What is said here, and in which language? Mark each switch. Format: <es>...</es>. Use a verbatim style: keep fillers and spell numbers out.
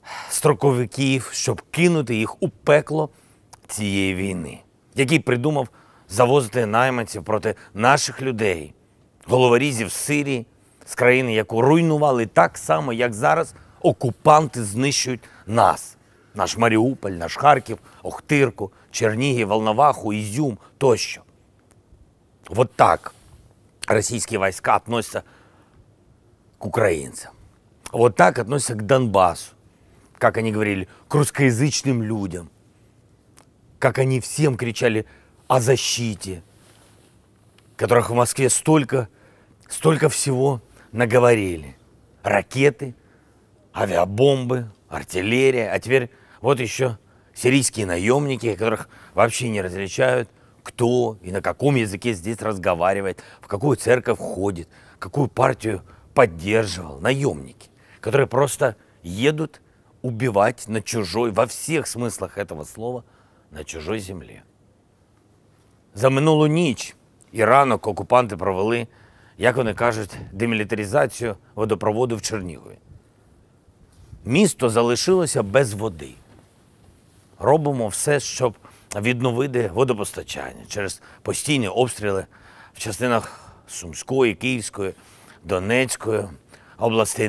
<uk>строковиків, щоб кинути їх у пекло цієї війни, який придумав завозити найманців проти наших людей, головорізів з Сирії, з країни, яку руйнували так само, як зараз окупанти знищують нас. Наш Маріуполь, наш Харків, Охтирку, Чернігів, Волноваху, Ізюм тощо.</uk> <ru>Вот так российские войска относятся к украинцам. Вот так относятся к Донбассу, как они говорили, к русскоязычным людям. Как они всем кричали о защите, которых в Москве столько, столько всего наговорили. Ракеты, авиабомбы, артиллерия, а теперь вот еще сирийские наемники, которых вообще не различают, кто и на каком языке здесь разговаривает, в какую церковь ходит, какую партию поддерживал. Наемники, которые просто едут убивать на чужой, во всех смыслах этого слова, на чужой землі.</ru> <uk>За минулу ніч і ранок окупанти провели, як вони кажуть, демілітаризацію водопроводу в Чернігові. Місто залишилося без води. Робимо все, щоб відновити водопостачання через постійні обстріли в частинах Сумської, Київської, Донецької областей.</uk>